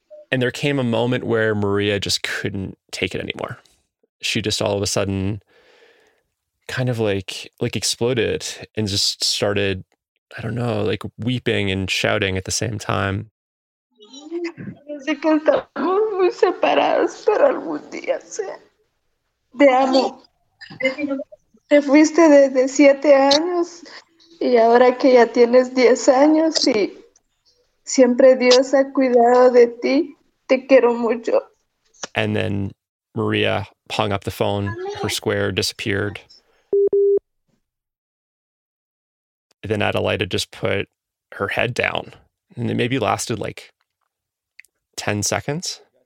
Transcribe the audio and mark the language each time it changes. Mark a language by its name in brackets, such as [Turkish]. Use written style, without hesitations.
[English] And there came a moment where Maria just couldn't take it anymore. She just all of a sudden kind of like exploded and just started, I don't know, like weeping and shouting at the same time. [Spanish] Sé que estamos muy separados, pero algún día sé. Te amo. Te fuiste desde 7 años y ahora que ya tienes 10 años y siempre Dios ha cuidado de ti, te quiero mucho. [English] And then Maria hung up the phone, her square disappeared. Then Adelaida just put her head down and it maybe lasted like 10 seconds.